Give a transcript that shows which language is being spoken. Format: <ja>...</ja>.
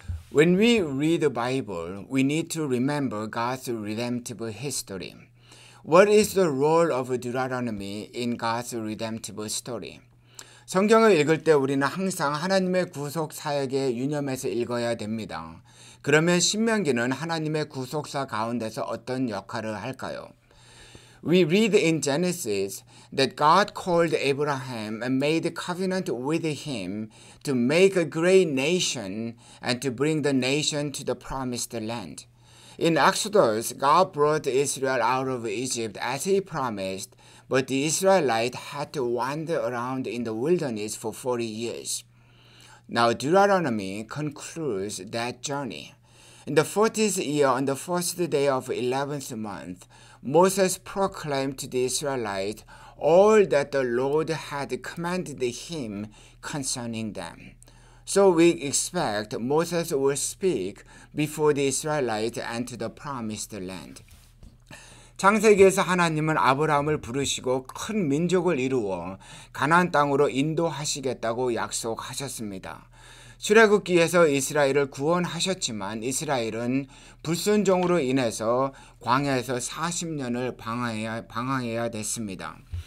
<en>When we read the Bible, we need to remember God's redemptive history. What is the role of Deuteronomy in God's redemptive story?</en> <ko>성경을 읽을 때 우리는 항상 하나님의 구속 사역에 유념해서 읽어야 됩니다. 그러면 신명기는 하나님의 구속사 가운데서 어떤 역할을 할까요?</ko> <en>We read in Genesis that God called Abraham and made a covenant with him to make a great nation and to bring the nation to the promised land. In Exodus, God brought Israel out of Egypt as he promised, but the Israelites had to wander around in the wilderness for 40 years. Now Deuteronomy concludes that journey. In the 40th year, on the first day of 11th month, Moses proclaimed to the Israelites all that the Lord had commanded him concerning them. So we expect Moses will speak before the Israelites enter the promised land.</en> <ko>창세기에서 하나님은 아브라함을 부르시고 큰 민족을 이루어 가나안 땅으로 인도하시겠다고 약속하셨습니다. 출애굽기에서 이스라엘을 구원하셨지만 이스라엘은 불순종으로 인해서 광야에서 40년을 방황해야 됐습니다.</ko>